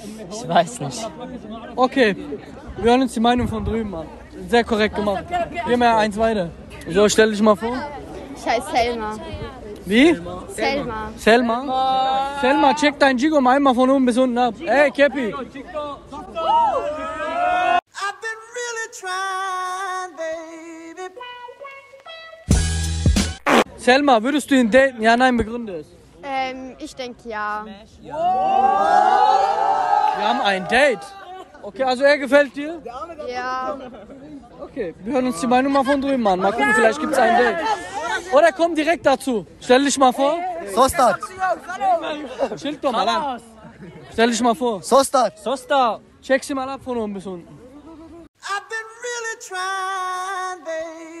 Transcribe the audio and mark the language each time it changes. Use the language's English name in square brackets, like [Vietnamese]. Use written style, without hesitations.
[German] Ich weiß nicht. Okay, wir hören uns die Meinung von drüben an. Sehr korrekt gemacht. Geh mal eins weiter. So, stell dich mal vor. Ich heiße Selma. Wie? Selma. Selma, check dein Jigo mal einmal von oben bis unten ab. Ey, Käppi. [English] I've been really trying, baby. [German] Selma, würdest du ihn daten? Ja, nein, begründe es. Ich denke ja. Wir haben ein Date. Okay, also er gefällt dir? Ja. Okay, wir hören uns die Meinung mal von drüben an. Mal gucken, vielleicht gibt es ein Date. Oder komm direkt dazu. Stell dich mal vor. Sostat. Chill doch mal an. Stell dich mal vor. Sostat. Sostat. Check sie mal ab von oben bis unten. [English] I've been really trying, baby.